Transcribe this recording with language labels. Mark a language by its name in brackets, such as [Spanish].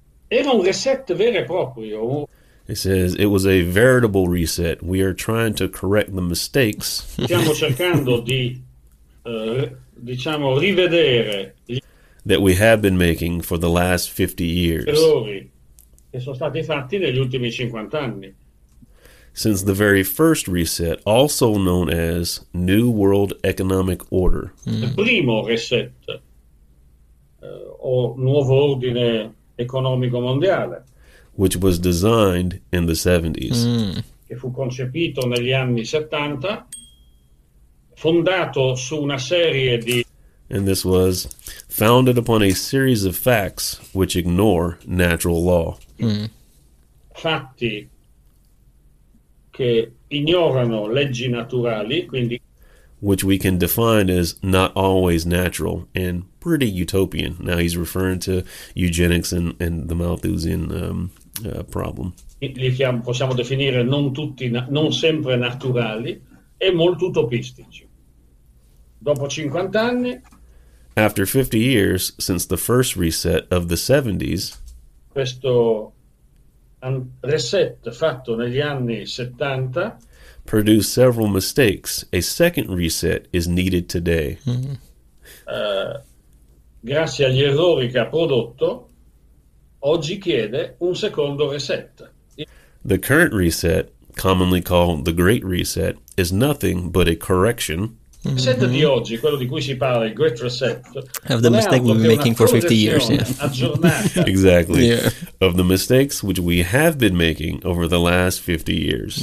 [Italian] Era un reset vero e proprio. [English] He says it was a veritable reset. We are trying to correct the mistakes. [Italian] Stiamo cercando di diciamo rivedere [English] that we have been making for the last 50 years. [Italian] Errori che sono stati fatti negli ultimi 50 anni. [English] Since the very first reset, also known as New World Economic Order. [Italian] Il primo reset o nuovo ordine economico mondiale, [English] which was designed in the 70s. [Italian] Che fu concepito negli anni 70. Fondato su una serie di... [English] And this was founded upon a series of facts which ignore natural law. [Italian] Fatti che ignorano leggi naturali, quindi... [English] Which we can define as not always natural and pretty utopian. Now he's referring to eugenics and the Malthusian problem. [Italian] Li possiamo definire non tutti, non sempre naturali e molto utopistici. Dopo 50 anni, [English] after 50 years since the first reset of the 70s, [Italian] questo reset fatto negli anni 70 [English] produced several mistakes. A second reset is needed today. Mm-hmm. [Italian] Grazie agli errori che ha prodotto, oggi chiede un secondo reset. [English] The current reset, commonly called the Great Reset, is nothing but a correction. [Italian] Il reset di oggi, quello di cui si parla, il Great Reset, [English] of the mistake we've been making for 50 years. Yeah. Exactly. Yeah. Of the mistakes which we have been making over the last 50 years.